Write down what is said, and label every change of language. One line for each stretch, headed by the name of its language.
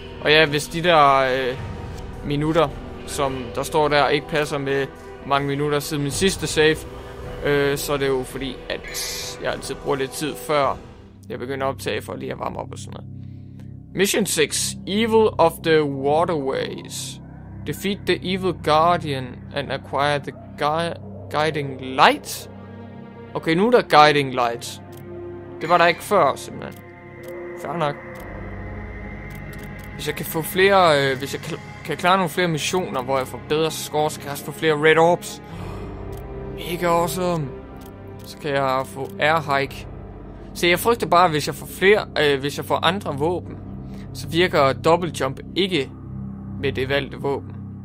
Danish: Og ja, hvis de der minutter, som der står der, ikke passer med mange minutter siden min sidste save, så er det jo fordi, at jeg altid bruger lidt tid før jeg begynder at optage for lige at varme op og sådan noget.
English: Mission 6. Evil of the Waterways. Defeat the evil guardian and acquire the guiding light.
Danish: Okay, nu er der guiding light. Det var der ikke før, simpelthen. Fair nok. Hvis jeg kan få flere, hvis jeg kan klare nogle flere missioner, hvor jeg får bedre scores, kan jeg også få flere red orbs.
English: Mega awesome.
Danish: Så kan jeg få air hike. Se, jeg frygter bare, hvis jeg får flere, hvis jeg får andre våben, så virker double jump ikke med det valgte våben.